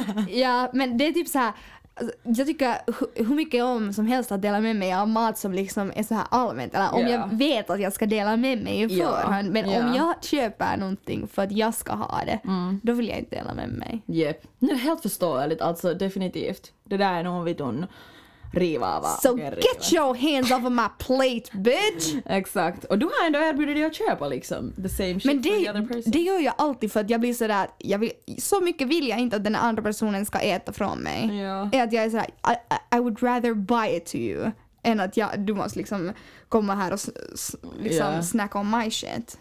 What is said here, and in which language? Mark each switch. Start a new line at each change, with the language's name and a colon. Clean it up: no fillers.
Swedish: Ja, men det är typ så här, jag tycker hur mycket om som helst att dela med mig av mat som liksom är så här allmänt. Eller om jag vet att jag ska dela med mig i förhand. Men om jag köper någonting för att jag ska ha det, då vill jag inte dela med mig.
English: Yep.
Swedish: Nu är det helt förståeligt, alltså definitivt. Det där är nog vi don. Riva, va?
English: So get your hands off of my plate, bitch!
Swedish: Exakt. Och du har ändå erbjudit dig att köpa liksom the same shit men
English: for the other person.
Swedish: Det gör jag alltid för att jag blir sådär att jag vill, så mycket vill jag inte att den andra personen ska äta från mig. Ja. Är att jag är sådär, I would rather buy it to you än att jag, du måste liksom komma här och liksom snacka om my shit.